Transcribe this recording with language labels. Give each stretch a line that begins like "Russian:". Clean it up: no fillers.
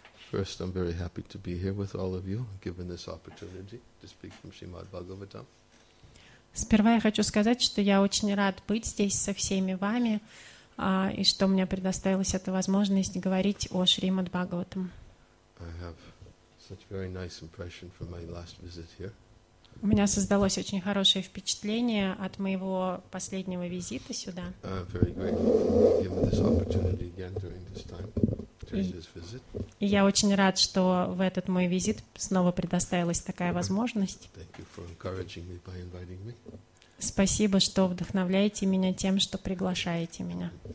English: First, I'm very happy to be here with all of you, given this opportunity to speak from Srimad Bhagavatam.
Russian: Сперва я хочу сказать, что я очень рад быть здесь со всеми вами. И что мне предоставилась эта возможность говорить о Шримад Бхагаватам.
English: I have such very nice impression from my last visit here.
Russian: У меня создалось очень хорошее впечатление от моего последнего визита сюда.
English: I'm very grateful for giving this opportunity again during this time, during this visit.
Russian: И я очень рад, что в этот мой визит снова предоставилась такая возможность.
English: Thank you for encouraging me by inviting me.
Russian: Спасибо, что вдохновляете меня тем, что приглашаете меня.